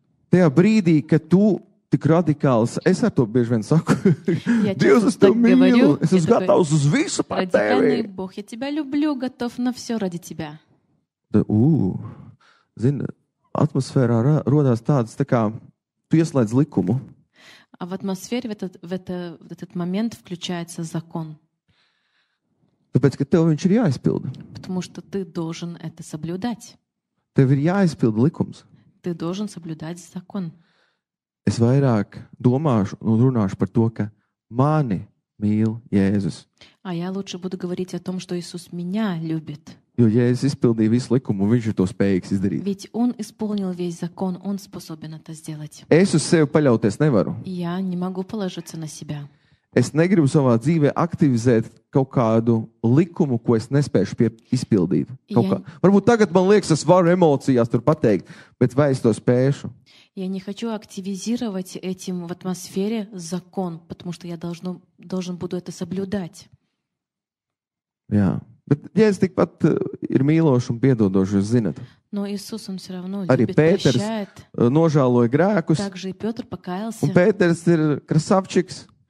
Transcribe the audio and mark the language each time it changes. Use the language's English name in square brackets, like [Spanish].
[Latvian] Tajā brīdī, kad tu tik radikāls, es ar to bieži vien saku, Dievs, es tev mīlu, [Russian] говорю, [Latvian] es esmu gatavs uz visu par tevi. [Russian] Радикальный Бог, я тебя люблю, готов на все ради тебя. [Latvian] Zini, atmosfērā rodās tādas, tā kā tu ieslēdz likumu. [Russian] А в атмосфере в этот момент включается закон. [Latvian] Tāpēc, ka tev viņš ir jāizpilda. [Russian] Потому что ты должен это соблюдать. [Latvian] Tev ir jāizpilda likums. [Russian] Ты должен соблюдать закон. [Latvian] Es vairāk domāšu un runāšu par to, ka mani mīl Jēzus. [Russian] А я лучше буду говорить о том, что Иисус меня любит. [Latvian] Jo Jēzus izpildīja visu likumu, viņš ir to spējīgs izdarīt. [Russian] Ведь он исполнил весь закон, он способен это сделать. [Latvian] Es uz sevi paļauties nevaru. [Russian] Я не могу положиться на себя. [Latvian] Es negribu savā dzīvē aktivizēt kaut kādu likumu, ko es nespēšu izpildīt. Kaut kā. Varbūt tagad man liekas, es varu emocijās tur pateikt, bet vai es to spēšu? [Russian] Я не хочу активизировать этим в атмосфере закон, потому что я должен буду это соблюдать. [Latvian] Jā. Bet Jēzus tikpat ir mīlošs un piedodošs, jūs zināt. [Russian] Но Иисус он всё равно любит. [Latvian] Arī Pēters nožāloja grēkus. [Russian] Также и Пётр покаялся. [Latvian] Un Pēters ir krasavčiks.